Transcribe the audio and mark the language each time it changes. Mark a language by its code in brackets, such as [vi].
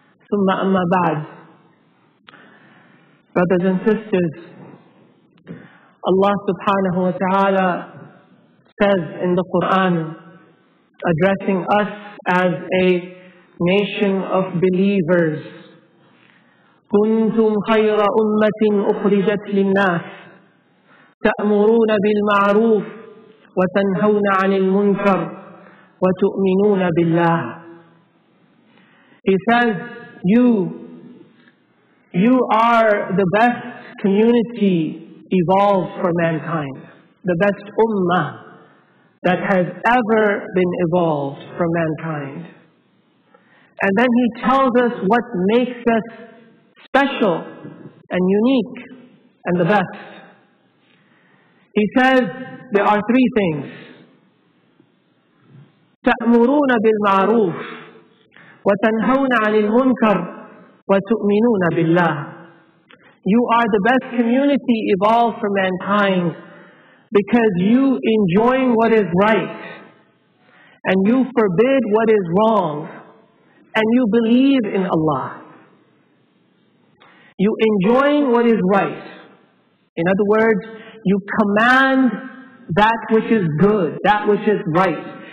[ar] ثم أما بعد، [en] brothers and sisters, Allah subhanahu wa ta'ala says in the Quran, addressing us as a nation of believers, [ar] كنتم خير أمة أخرجت للناس تأمرون بالمعروف وتنهون عن المنكر وتؤمنون بالله. [en] He says, you are the best community evolved for mankind, the best ummah that has ever been evolved for mankind. And then he tells us what makes us special and unique and the best. He says there are three things. [ar] تأمرون بالمعروف وتنهون عن المنكر وتؤمنون بالله. [en] You are the best community evolved for mankind because you enjoin what is right and you forbid what is wrong and you believe in Allah. You enjoin what is right. In other words, you command that which is good, that which is right.